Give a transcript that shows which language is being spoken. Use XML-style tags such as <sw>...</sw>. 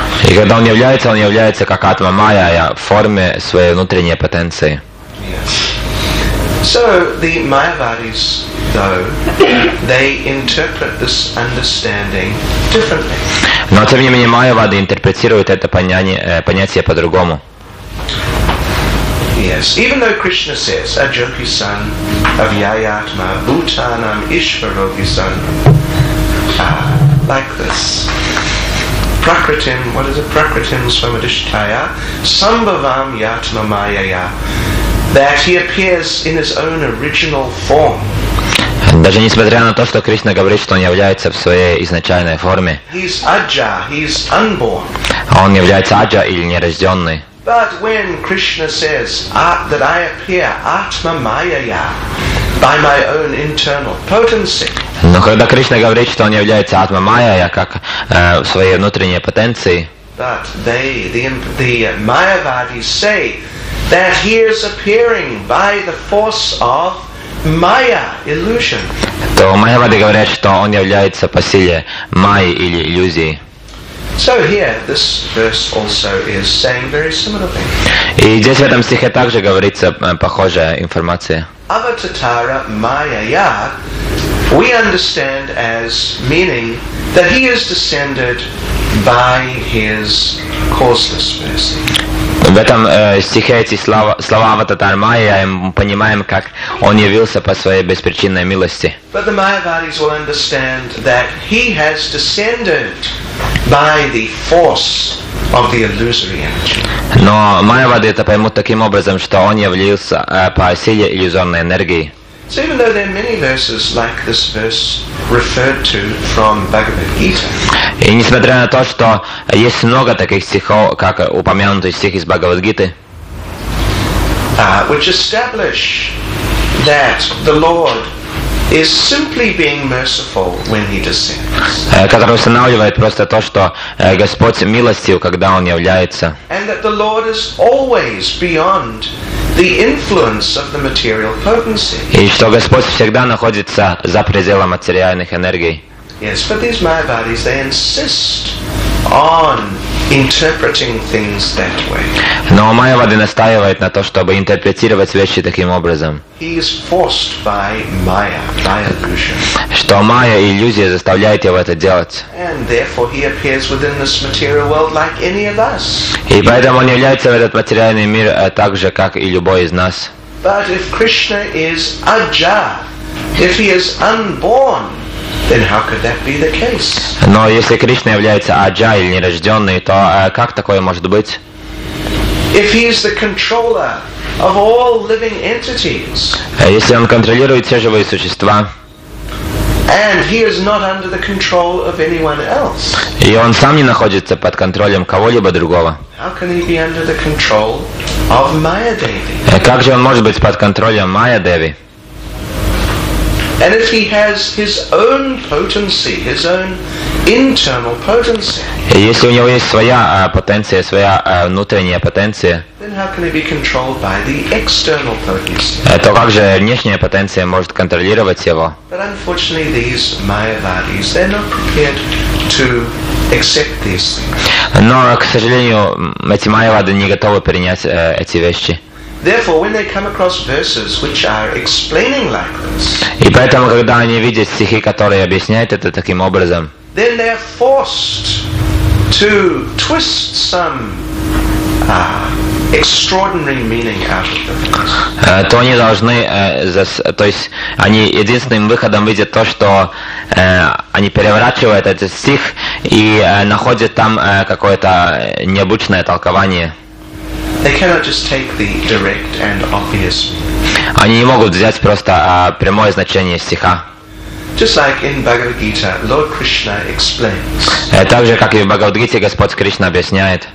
<ru>И когда он является как Атма Майя, в форме своей внутренней потенции.</ru> <en>Yes. So the Mayavadis, though, they interpret this understanding differently.</en> <ru>Но тем не менее Майявады интерпретируют это понятие по-другому.</ru> <en>Yes, even though Krishna says,</en> <sa>Ajoki son of Yayatma, Bhutanam Ishvaro Visan,</sa> <en>like this. Prakritim, what is it?</en> <sa>Prakritim Swamadishtaya, Sambhavam Yatma Mayaya,</sa> <en>that he appears in his own original form.</en> <ru>Даже несмотря на то, что Кришна говорит, что он является в своей изначальной форме.</ru> <en>He's Ajja, he's unborn.</en> <ru>Он является Ajja или нерожденный.</ru> <en>But when Krishna says that I appear Atma Mayaya by my own internal potency.</en> <ru>Но когда Кришна говорит, что он является Атма Майя, как в своей внутренней потенции.</ru> <en>But they, the Mayavadis say that he is appearing by the force of Maya, illusion.</en> <ru>То Майявады говорят, что он является по силе Майи или иллюзии.</ru> <en>So here, this verse also is saying very similar things.</en> <ru>И здесь в этом стихе также говорится похожая информация.</ru> <en>Avatara Mayaya, we understand as meaning that he is descended by his causeless mercy.</en> <ru>В этом стихе эти слова Авататар Майя мы понимаем, как он явился по своей беспричинной милости.</ru> <en>But the Mayavadis will understand that he has descended by the force of the illusory energy.</en> <ru>Но Майявады это поймут таким образом, что он явился по силе иллюзорной энергии.</ru> <en>So even though there are many verses like this verse referred to from Bhagavad Gita.</en> <ru>И несмотря на то, что есть много таких стихов, как упомянутый стих из Бхагавад-гиты,</ru> <en>which establish that the Lord is simply being merciful when he descends.</en> <ru>Который устанавливает просто то, что Господь милостив, когда он является.</ru> <en>And that the Lord is always beyond the influence of the material potency.</en> <ru>И что Господь всегда находится за пределом материальных энергий.</ru> <en>Yes, but these Mayavadis, they insist on interpreting things that way.</en> <ru>Но Майявады настаивают на то, чтобы интерпретировать вещи таким образом.</ru> <en>He is forced by Maya, by illusion.</en> <ru>Что Майя, иллюзия, заставляет его это делать.</ru> <en>And therefore he appears within this material world like any of us.</en> <ru>И поэтому он является в этот материальный мир так же, как и любой из нас.</ru> <en>But if Krishna is Ajja, if he is unborn, then how could that be the case?</en> <ru>Но если Кришна является Аджа или нерожденный, то как такое может быть?</ru> <en>If he is the controller of all living entities.</en> <ru>Если он контролирует все живые существа.</ru> <en>And he is not under the control of anyone else.</en> <ru>И он сам не находится под контролем кого-либо другого.</ru> <en>How can he be under the control of Maya Devi?</en> <ru>Как же он может быть под контролем Maya Devi?</ru> <en>And if he has his own potency, his own internal potency.</en> <ru>Если у него есть своя потенция, своя внутренняя потенция.</ru> <en>Then how can he be controlled by the external potency?</en> <ru>То как же внешняя потенция может контролировать его?</ru> <en>But unfortunately, these Mayavadis, they're not prepared to accept these things.</en> <ru>Но, к сожалению, эти Майявады не готовы принять эти вещи.</ru> <en>Therefore, when they come across verses which are explaining like this,</en> <ru>и поэтому, когда они видят стихи, которые объясняют это таким образом,</ru> <en>then they are forced to twist some extraordinary meaning out of the verse.</en> <ru>То они должны, то есть они единственным выходом видят то, что они переворачивают этот стих и находят там какое-то необычное толкование.</ru> <en>They cannot just take the direct and obvious meaning.</en> <ru>Они не могут взять просто прямое значение стиха.</ru> <en>Just like in Bhagavad Gita, Lord Krishna explains.</en> <ru>Также как и в Бхагавад Гите Господь Кришна объясняет.</ru>